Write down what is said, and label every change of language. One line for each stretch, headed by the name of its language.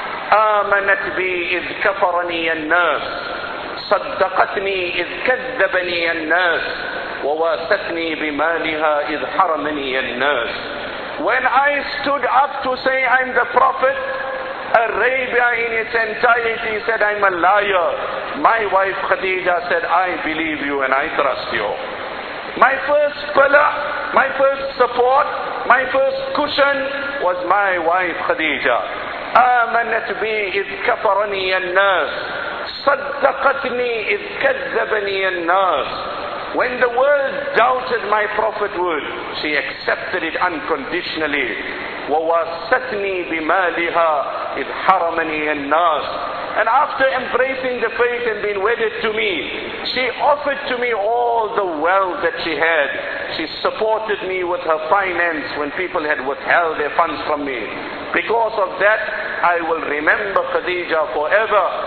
Arabic: آمنت بي إذ كفرني الناس, صدقتني إذ كذبني الناس, وواستني بمالها إذ حرمني الناس.
English: When I stood up to say I'm the Prophet, Arabia in its entirety said I'm a liar. My wife Khadija said, I believe you and I trust you. My first pillar, my first support, my first cushion was my wife Khadija.
Arabic: آمنت بي إذ كفرني الناس, صدقتني إذ كذبني الناس.
English: When the world doubted my prophet word, she accepted it unconditionally.
Arabic: وواستني بمالها إذ حرمني الناس.
English: And after embracing the faith and being wedded to me, she offered to me all the wealth that she had. She supported me with her finance when people had withheld their funds from me. Because of that, I will remember Khadija forever.